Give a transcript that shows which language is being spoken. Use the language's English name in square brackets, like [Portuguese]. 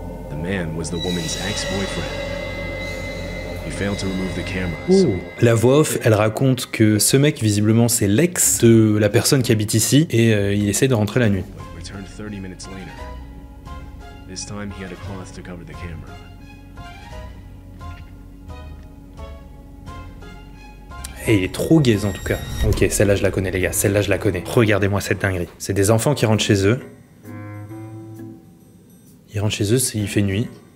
[English] The man was the woman's ex-boyfriend. He failed to remove the camera. [French] La voix off, elle raconte que ce mec, visiblement, c'est l'ex de la personne qui habite ici et il essaye de rentrer la nuit. [English] Returned 30 minutes later. This time he had a cloth to cover the camera. [French] Et il est trop gay en tout cas. Ok, celle-là je la connais les gars, celle-là je la connais. Regardez-moi cette dinguerie. C'est des enfants qui rentrent chez eux. Il rentre chez eux, il fait nuit.